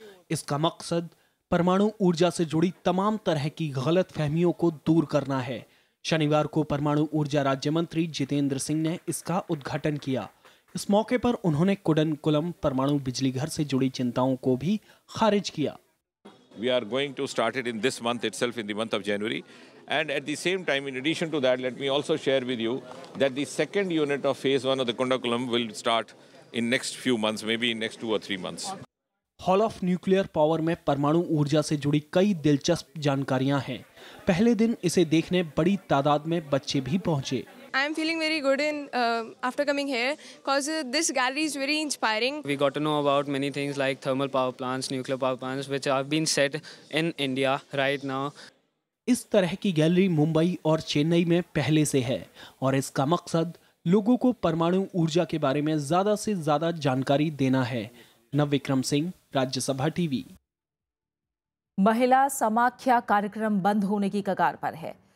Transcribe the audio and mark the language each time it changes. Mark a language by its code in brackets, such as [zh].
[hi] इसका मकसद परमाणु ऊर्जा से जुड़ी तमाम तरह की गलत फहमियों को दूर करना है। शनिवार को परमाणु ऊर्जा राज्य मंत्री जितेंद्र सिंह ने इसका उद्घाटन किया। इस मौके पर उन्होंने कुडनकुलम परमाणु बिजली घर से जुड़ी चिंताओं को भी खारिज किया। [en] We are going to start it in this month itself, in the month of January. And at the same time, in addition to that, let me also share with you that the second unit of phase one of the Kundakulam will start in next few months, maybe in next two or three months. [hi] Hall of nuclear power में परमाणु ऊर्जा से जुड़ी कई दिलचस्प जानकारियां हैं। पहले दिन इसे देखने बड़ी तादाद में बच्चे भी पहुंचे। [en] I am feeling very good in after coming here because this gallery is very inspiring. We got to know about many things like thermal power plants, nuclear power plants, which have been set in India right now. [hi] इस तरह की gallery Mumbai और चेन्नई में पहले से है और इसका मकसद लोगों को परमाणु ऊर्जा के बारे में ज्यादा से ज्यादा जानकारी देना है। नवविक्रम सिंह, राज्यसभा टीवी। महिला समाख्या कार्यक्रम बंद होने की कगार पर है।